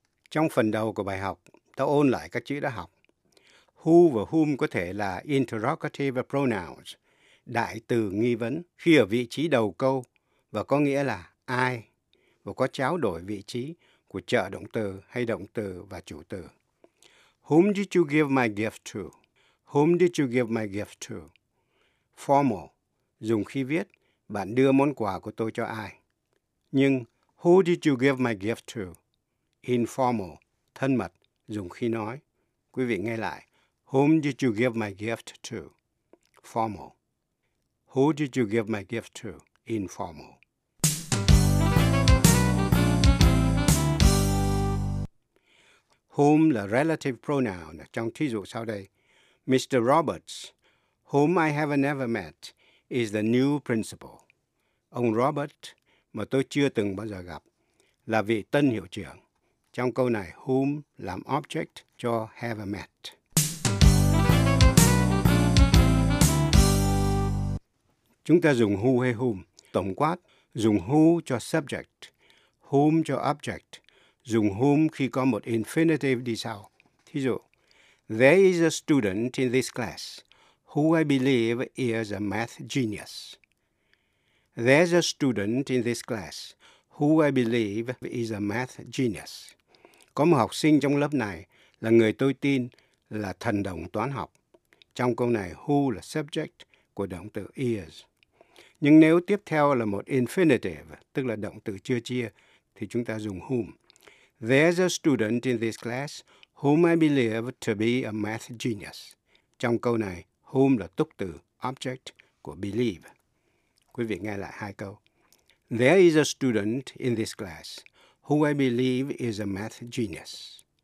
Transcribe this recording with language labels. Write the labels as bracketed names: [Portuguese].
[Vietnamese] Trong phần đầu của bài học, ta ôn lại các chữ đã học. Who và whom có thể là interrogative pronouns, đại từ nghi vấn, khi ở vị trí đầu câu và có nghĩa là ai, và có tráo đổi vị trí của trợ động từ hay động từ và chủ từ. [English] Whom did you give my gift to? Whom did you give my gift to? [Vietnamese] Formal, dùng khi viết, bạn đưa món quà của tôi cho ai. [English] Nhưng, who did you give my gift to? [Vietnamese] Informal, thân mật, dùng khi nói. Quý vị nghe lại, [English] whom did you give my gift to? Formal, who did you give my gift to? Informal. [Vietnamese] Whom là relative pronoun trong thí dụ sau đây. [English] Mr. Roberts, whom I have never met, is the new principal. [Vietnamese] Ông Robert, mà tôi chưa từng bao giờ gặp, là vị tân hiệu trưởng. Trong câu này, whom làm object cho have met. Chúng ta dùng who hay whom. Tổng quát, dùng who cho subject, whom cho object, dùng whom khi có một infinitive đi sau. Thí dụ, [English] there is a student in this class who I believe is a math genius. There's a student in this class who I believe is a math genius. [Vietnamese] Có một học sinh trong lớp này là người tôi tin là thần đồng toán học. Trong câu này, who là subject của động từ is. Nhưng nếu tiếp theo là một infinitive, tức là động từ chưa chia, thì chúng ta dùng whom. [English] There's a student in this class whom I believe to be a math genius. [Vietnamese] Trong câu này, whom là túc từ object của believe. Quý vị nghe lại hai câu. [English] There is a student in this class who I believe is a math genius.